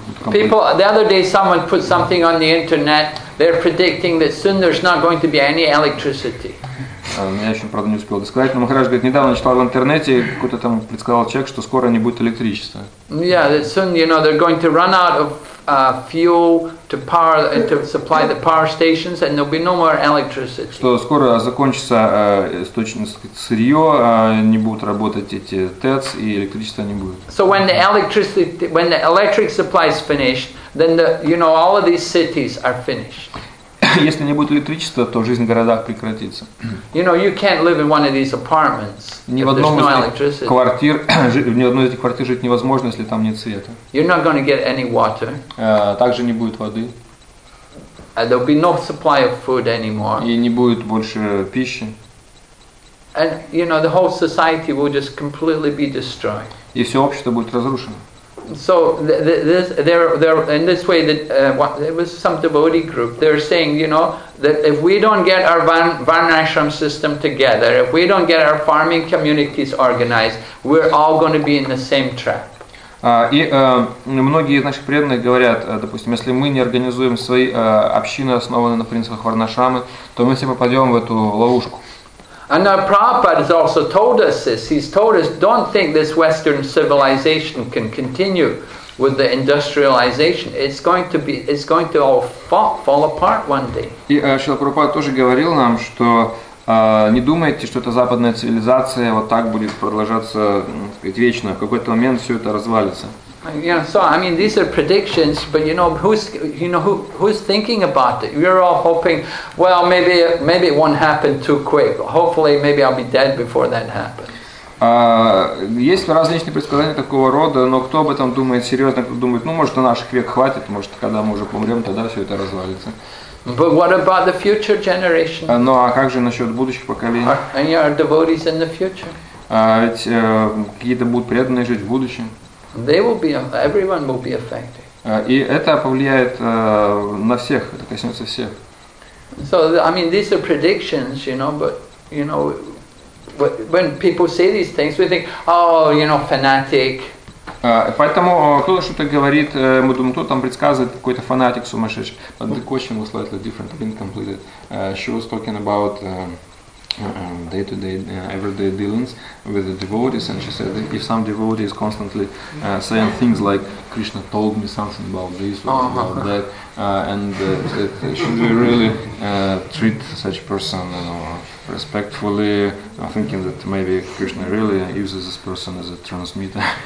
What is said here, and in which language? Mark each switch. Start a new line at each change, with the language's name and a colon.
English: People, the other day someone put something on the internet, they're predicting that soon there's not going to be any electricity.
Russian: Я еще, правда, не успел сказать, но Махарадж говорит, недавно читал в интернете, какой-то там предсказал человек, что скоро не будет электричества.
English: Yeah, soon, you know, they're going to run out of fuel to power and to supply the power stations, and there'll be no more electricity.
Russian: Что скоро закончится источник сырье, не будут работать эти ТЭЦ, и электричества не будет.
English: So when the electricity, when the electric supply is finished, then the, you know, all of these cities are finished.
Russian: Если не будет электричества, то жизнь в городах прекратится.
English: You know, you can't live in one of these apartments.
Russian: Ни в одном из квартир, ни в одной из этих квартир жить невозможно, если там нет света.
English: You're not going to get any water.
Russian: Также не будет воды.
English: There'll be no supply of food anymore.
Russian: И не будет больше пищи.
English: And you know, the whole society will just completely be destroyed.
Russian: И все общество будет разрушено.
English: So this, in this way, it was some devotee group. They're saying, you know, that if we don't get our Varnashram system together, if we don't get our farming communities organized, we're all going to be in the same trap.
Russian: И многие из наших преданных говорят, допустим, если мы не организуем свои общины, основанные на принципах Варнашрамы, то мы все попадем в эту ловушку.
English: And now Prabhupada has also told us this. He's told us, don't think this Western civilization can continue with the industrialization. It's going to all fall apart one day.
Russian: И Шрила Прабхупада тоже говорил нам, что не думайте, что эта западная цивилизация вот так будет продолжаться, так сказать, вечно. В какой-то момент все это развалится.
English: Yeah, so I mean, these are predictions, but who's thinking about it? We're all hoping, well, maybe it won't happen too quick. Hopefully, maybe I'll be dead before that happens.
Russian: Есть различные предсказания такого рода, но кто об этом думает серьезно? Кто думает, может, на наш век хватит, может, когда мы уже помрем, тогда все это развалится.
English: But what about the future generation?
Russian: Ну а как же насчет будущих поколений?
English: And your devotees in the future?
Russian: Ведь какие-то будут преданные жить в будущем.
English: They will be. Everyone will be affected.
Russian: И это повлияет на всех. Это коснется всех.
English: So I mean, these are predictions, but when people say these things, we think, fanatic.
Russian: Поэтому кто что-то говорит, мы думаем, кто там предсказывает, какой-то фанатик сумасшедший.
English: But the question was slightly different, incomplete. She was talking about day-to-day, everyday dealings with the devotees, and she said that if some devotee is constantly saying things like Krishna told me something about this or about that, that should we really treat such person respectfully, thinking that maybe Krishna really uses this person as a transmitter,